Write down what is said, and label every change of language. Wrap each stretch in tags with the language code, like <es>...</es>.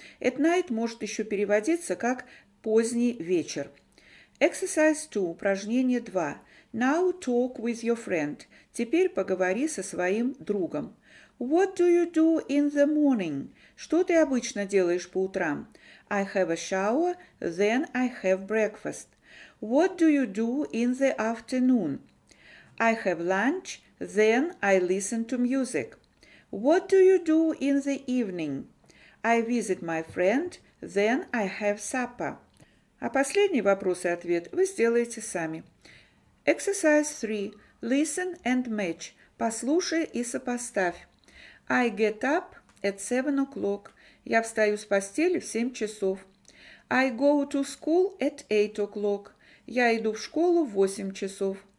<en>At night</en> <ru>может еще переводиться как поздний вечер.</ru> <en>Exercise 2,</en> <ru>упражнение 2.</ru> <en>Now talk with your friend.</en> <ru>Теперь поговори со своим другом.</ru> <en>What do you do in the morning?</en> <ru>Что ты обычно делаешь по утрам?</ru> <en>I have a shower, then I have breakfast. What do you do in the afternoon? I have lunch, then I listen to music. What do you do in the evening? I visit my friend, then I have supper.</en> <ru>А последний вопрос и ответ вы сделаете сами.</ru> <en>Exercise 3. Listen and match.</en> <ru>Послушай и сопоставь.</ru> <en>I get up at 7 o'clock.</en> <ru>Я встаю с постели в 7 часов.</ru> <en>I go to school at 8 o'clock.</en> <ru>Я иду в школу в 8 часов.</ru>